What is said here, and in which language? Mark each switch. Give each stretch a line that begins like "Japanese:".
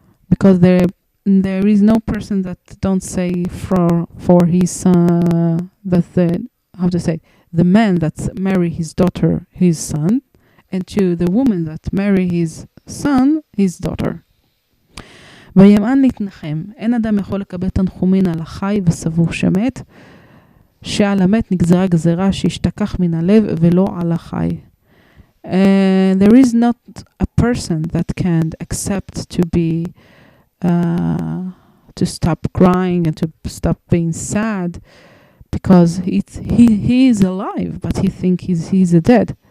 English: Because there is no person that don't say for his son, the man that marry his daughter, his son, and to the woman that marry his son, his daughter.
Hebrew: וימען להתנחם, אין אדם יכול לקבל תנחומין על החי וסבור שמת, שעל המת נגזרה גזרה שהשתכח מן הלב ולא על החי.
English: There is not a person that can accept to be to stop crying and to stop being sad, because he is alive, but he think he's a dead.